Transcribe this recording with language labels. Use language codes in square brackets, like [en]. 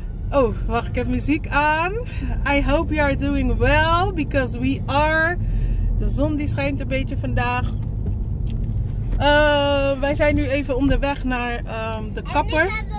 [nl] Oh, wacht, ik heb muziek aan. [en] I hope you are doing well, because we are. [nl] De zon die schijnt een beetje vandaag. Wij zijn nu even onderweg naar de kapper.